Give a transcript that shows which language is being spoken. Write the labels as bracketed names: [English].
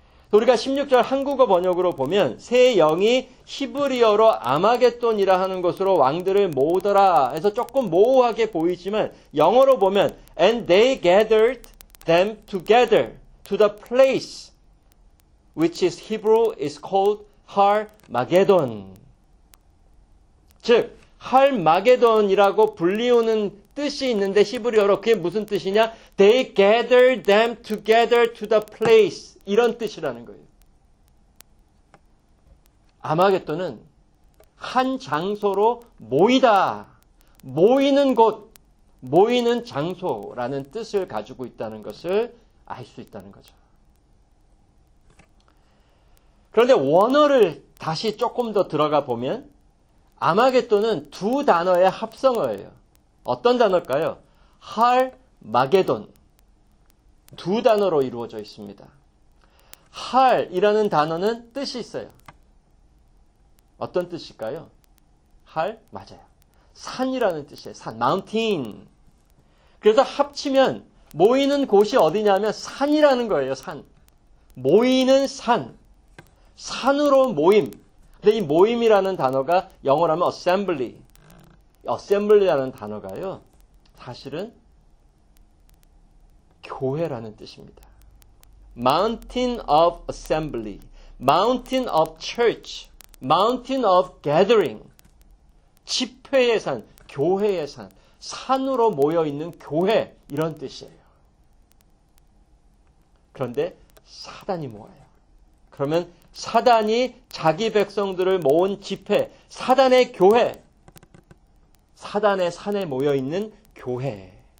[Korean] 우리가 16절 한국어 번역으로 보면 세 영이 히브리어로 아마겟돈이라 하는 것으로 왕들을 모으더라 해서 조금 모호하게 보이지만 영어로 보면 [English] And they gathered them together to the place which is Hebrew is called Harmageddon. [Korean] 즉, 할마게돈이라고 불리우는 뜻이 있는데 히브리어로 그게 무슨 뜻이냐? [English] They gathered them together to the place. [Korean] 이런 뜻이라는 거예요. 아마겟돈은 한 장소로 모이다, 모이는 곳, 모이는 장소라는 뜻을 가지고 있다는 것을 알수 있다는 거죠. 그런데 원어를 다시 조금 더 들어가 보면 아마겟돈은 두 단어의 합성어예요. 어떤 단어일까요? 할 마게돈. 두 단어로 이루어져 있습니다. 할이라는 단어는 뜻이 있어요. 어떤 뜻일까요? 할? 맞아요. 산이라는 뜻이에요. 산, mountain. 그래서 합치면 모이는 곳이 어디냐면 산이라는 거예요. 산. 모이는 산. 산으로 모임. 근데 이 모임이라는 단어가 영어로 하면 assembly. assembly라는 단어가요. 사실은 교회라는 뜻입니다. [English] Mountain of assembly, mountain of church, mountain of gathering. [Korean] 집회의 산, 교회의 산, 산으로 모여 있는 교회, 이런 뜻이에요. 그런데 사단이 모아요. 그러면 사단이 자기 백성들을 모은 집회, 사단의 교회, 사단의 산에 모여 있는 교회.